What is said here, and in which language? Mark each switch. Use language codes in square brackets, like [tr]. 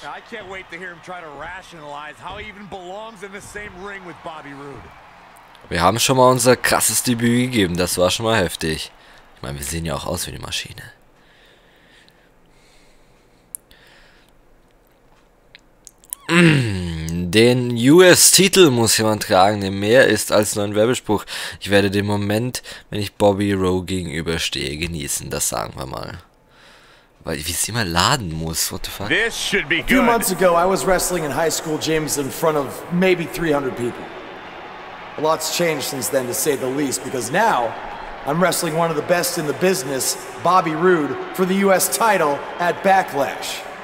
[en] I can't wait to hear him try to rationalize how he even belongs in the same ring with Bobby Roode. [de] Wir haben schon mal unser krasses Debüt gegeben, das war schon mal heftig. Ich meine, wir sehen ja auch aus wie eine Maschine. Den US-Titel muss jemand tragen, der mehr ist als nur ein Werbespruch. Ich werde den Moment, wenn ich Bobby Roode gegenüberstehe, genießen, das sagen wir mal. Weil wie es immer laden muss, [en] what the fuck? This should be good. A few months ago, I was wrestling in high school gyms in front of maybe 300 people. A lot's changed since then, to say the least, because now I'm wrestling one of the best in the business, Bobby Roode, for the US title at Backlash.